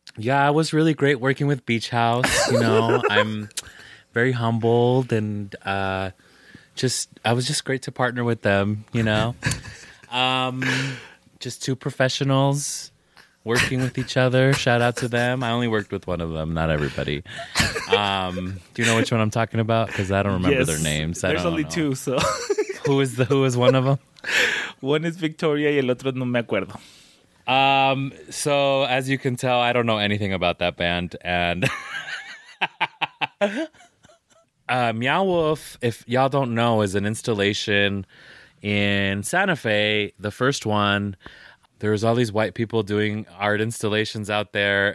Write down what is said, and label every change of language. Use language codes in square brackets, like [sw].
[en] Yeah, it was really great working with Beach House. You know, I'm very humbled and I was just great to partner with them, you know. Just two professionals working with each other. Shout out to them. I only worked with one of them, not everybody. Do you know which one I'm talking about? Because I don't remember their names. There's only two, so... Who is one of them? One is Victoria [es] y el otro no me acuerdo. [en] So as you can tell, I don't know anything about that band. And Meow Wolf, if y'all don't know, is an installation in Santa Fe. The first one, there was all these white people doing art installations out there.